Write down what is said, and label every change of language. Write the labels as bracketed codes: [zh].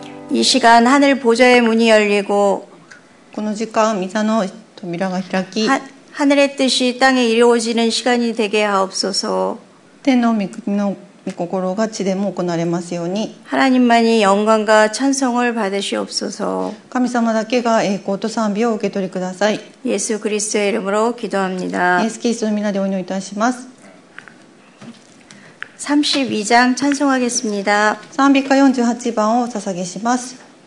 [ko] 이 시간 하늘 보좌의 문이 열리고 [ja] この時間御座の扉が開き [ko] 하늘의뜻이땅에이루어지는시간이되게하옵소서 [ja] 天の御心が地でも行われますように [ko] 하나님만이영광과찬송을받으시옵소서 [ja] 神様だけが栄光と賛美を受け取りください [ko] 예수그리스도의이름으로기도합니다 예수그리스도의이름으로기도합니다예수그리스도의이름으로기도합니 다32장찬송하겠습니다 [ja] 賛美歌48番を捧げします